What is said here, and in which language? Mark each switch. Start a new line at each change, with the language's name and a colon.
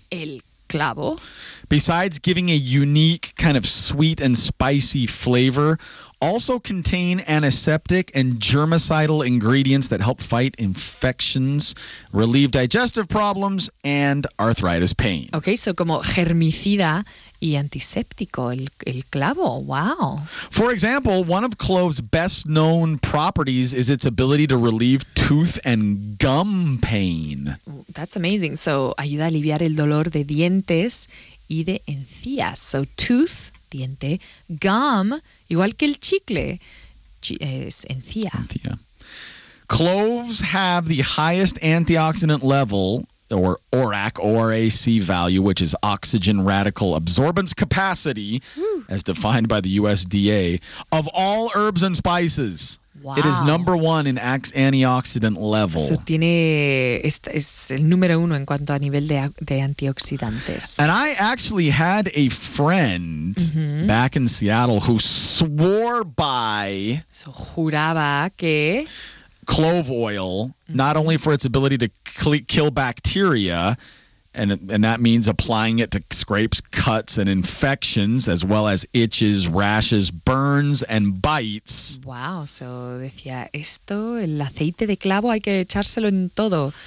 Spanish: El clavo.
English: Besides giving a unique kind of sweet and spicy flavor, also contain antiseptic and germicidal ingredients that help fight infections, relieve digestive problems, and arthritis pain.
Spanish: Okay, so como germicida y antiséptico, el clavo, wow.
English: For example, one of cloves' best known properties is its ability to relieve tooth and gum pain. That's amazing.
Spanish: So, ayuda a aliviar el dolor de dientes y de encías.
English: So, tooth,
Spanish: diente,
English: gum,
Spanish: igual que el chicle, es encía. Encía.
English: Cloves have the highest antioxidant level, or ORAC, O-R-A-C value, which is oxygen radical absorbance capacity, as defined by the USDA, of all herbs and spices. Wow. It is number one in antioxidant level.
Spanish: So tiene, es el número uno en cuanto a nivel de antioxidantes.
English: And I actually had a friend back in Seattle who swore by.
Spanish: So juraba que
English: clove oil, not only for its ability to kill bacteria, and that means applying it to scrapes, cuts, and infections, as well as itches, rashes, burns, and bites. Wow.
Spanish: So, decía, esto, el aceite de clavo, hay que echárselo en todo.